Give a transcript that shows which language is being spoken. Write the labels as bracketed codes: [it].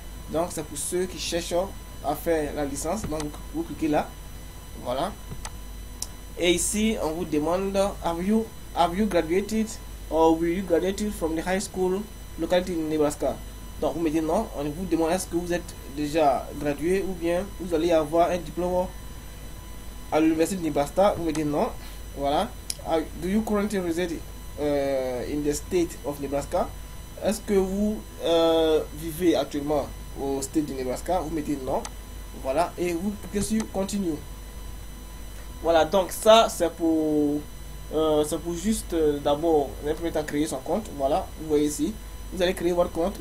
[fr] Donc c'est pour ceux qui cherchent à faire la licence. Donc vous cliquez là. Voilà. Et ici, on vous demande, [en] have you graduated or will you graduate from the high school locality in Nebraska? [fr] Donc vous me dites non. On vous demande est-ce que vous êtes déjà gradué ou bien vous allez avoir un diplôme à l'université de Nebraska. Vous me dites non. Voilà. [en] Do you currently reside in the state of Nebraska? [fr] Est-ce que vous vivez actuellement au state du Nebraska? Vous mettez non. Voilà. Et vous cliquez sur continue. Voilà. Donc ça, c'est pour juste d'abord permettre à créer son compte. Voilà. Vous voyez ici. Vous allez créer votre compte.